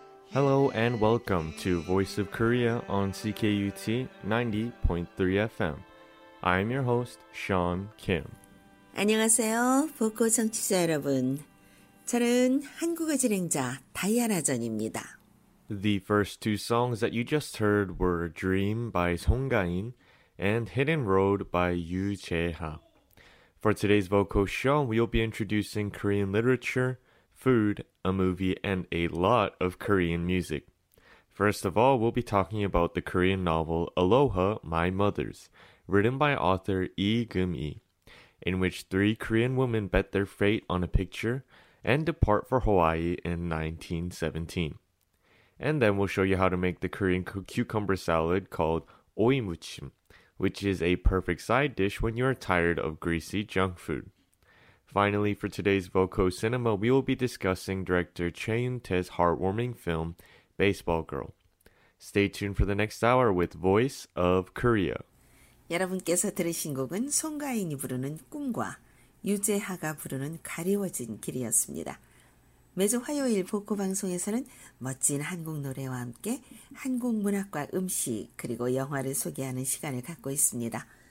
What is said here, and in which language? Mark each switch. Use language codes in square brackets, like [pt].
[en] Hello and welcome to Voice of Korea on CKUT 90.3 FM. I'm your host, Sean Kim. [ko] 안녕하세요, 보코 청취자 여러분. 저는 한국어 진행자 다이아나 전입니다. [en] The first two songs that you just heard were Dream by Song Ga-in and Hidden Road by Yu Jae-ha. For today's vocal show, we'll be introducing Korean literature, food, a movie, and a lot of Korean music. First of all, we'll be talking about the Korean novel Aloha, My Mothers, written by author Lee Geum-hee, in which three Korean women bet their fate on a picture and depart for Hawaii in 1917. And then we'll show you how to make the Korean cucumber salad called Oimuchim, which is a perfect side dish when you are tired of greasy junk food. Finally, for today's Voco Cinema, we will be discussing director Choi Yun-tae's heartwarming film, Baseball Girl. Stay tuned for the next hour with Voice of Korea. [ko] 여러분께서 들으신 곡은 송가인이 부르는 꿈과 유재하가 부르는 가리워진 길이었습니다. 매주 화요일 보코 방송에서는 멋진 한국 노래와 함께 한국 문학과 음식 그리고 영화를 소개하는 시간을 갖고 있습니다.